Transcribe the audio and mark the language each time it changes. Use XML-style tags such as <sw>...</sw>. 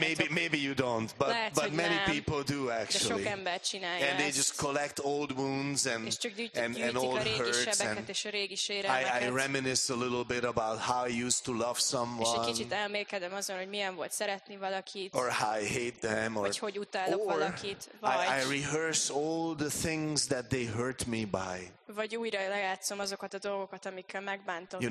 <en>Maybe you don't, but many people do actually. And they just collect old wounds and old hurts. And I reminisce a little bit about how I used to love someone.</en> <hu>És egy kicsit elmélkedem azon, hogy milyen volt szeretni valakit.</hu> <en>Or how I hate them. Or</en> <hu>hogy utálok valakit.</hu> <en>I rehearse all the things that they hurt me by.</en> <hu>Vagy újra lejátszom azokat a dolgokat, amikkel megbántottak.</hu>